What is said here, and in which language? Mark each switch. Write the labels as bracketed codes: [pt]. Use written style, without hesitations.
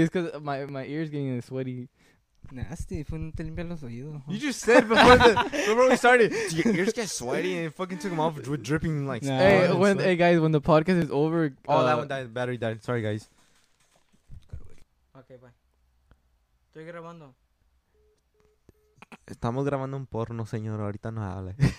[en] It's because my ear's getting sweaty. Nasty, if [es] no te limpian los oídos. [en] Huh? You just said before we started, your ears get sweaty and it fucking took them off with dripping like. Nah. Hey, when sweat. Hey guys, when the podcast is over. Oh, that one died. Battery died. Sorry, guys. Okay, bye. [es] Estoy grabando. Estamos grabando un porno, señor. Ahorita no hable.